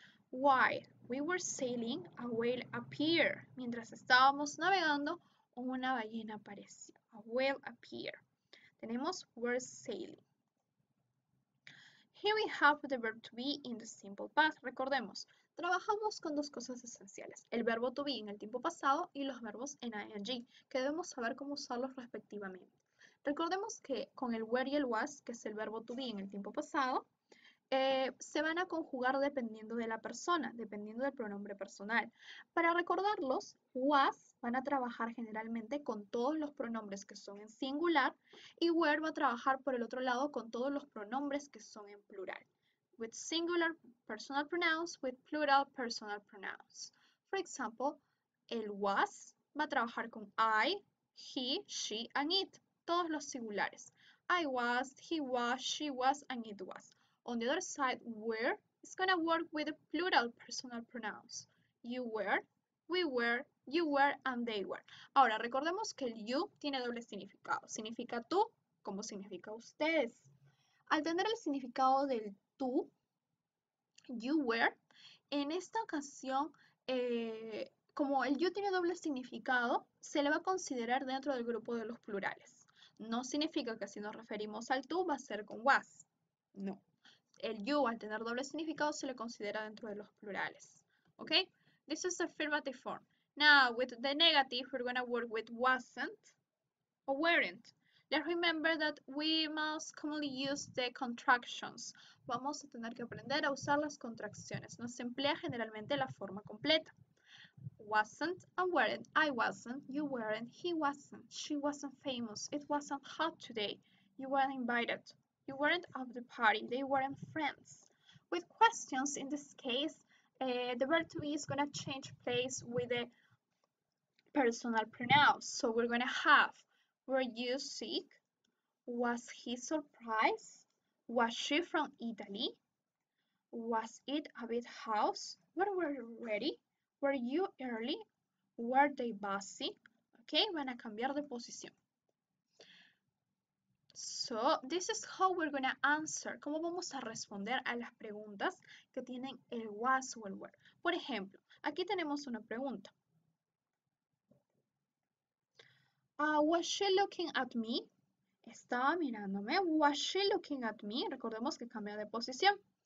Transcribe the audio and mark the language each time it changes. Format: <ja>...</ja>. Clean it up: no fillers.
<en>While we were sailing, a whale appeared.</en> <es>Mientras estábamos navegando, una ballena apareció.</es> <en>A whale appeared.</en> <es>Tenemos</es> <en>were sailing. Here we have the verb to be in the simple past.</en> <es>Recordemos, trabajamos con dos cosas esenciales. El verbo to be en el tiempo pasado y los verbos en ing, que debemos saber cómo usarlos respectivamente. Recordemos que con el were y el was, que es el verbo to be en el tiempo pasado, se van a conjugar dependiendo de la persona, dependiendo del pronombre personal. Para recordarlos, was van a trabajar generalmente con todos los pronombres que son en singular y were va a trabajar por el otro lado con todos los pronombres que son en plural.</es> <en>With singular personal pronouns, with plural personal pronouns. For example,</en> <es>el was va a trabajar con I, he, she, and it, todos los singulares.</es> <en>I was, he was, she was, and it was. On the other side, were is going to work with the plural personal pronouns. You were, we were, you were, and they were.</en> <es>Ahora, recordemos que el you tiene doble significado. Significa tú, como significa ustedes. Al tener el significado del tú, you were, en esta ocasión, como el you tiene doble significado, se le va a considerar dentro del grupo de los plurales. No significa que si nos referimos al tú, va a ser con was. No. El you, al tener doble significado, se le considera dentro de los plurales. ¿Ok?</es> <en>This is the affirmative form. Now, with the negative, we're going to work with wasn't or weren't. Let's remember that we must commonly use the contractions.</en> <es>Vamos a tener que aprender a usar las contracciones. No se emplea generalmente la forma completa.</es> <en>Wasn't and weren't. I wasn't. You weren't. He wasn't. She wasn't famous. It wasn't hot today. You weren't invited. You weren't at the party, they weren't friends. With questions, in this case, the verb to be is going to change place with the personal pronoun. So we're going to have, were you sick? Was he surprised? Was she from Italy? Was it a big house? When were you ready? Were you early? Were they busy? Okay,</en> <es>van a cambiar de posición.</es> <en>So, this is how we're going to answer.</en> <es>¿Cómo vamos a responder a las preguntas que tienen el was o el were? Por ejemplo, aquí tenemos una pregunta.</es> <en>Was she looking at me?</en> <es>¿Estaba mirándome?</es> <en>Was she looking at me?</en> <es>Recordemos que cambia de posición.</es>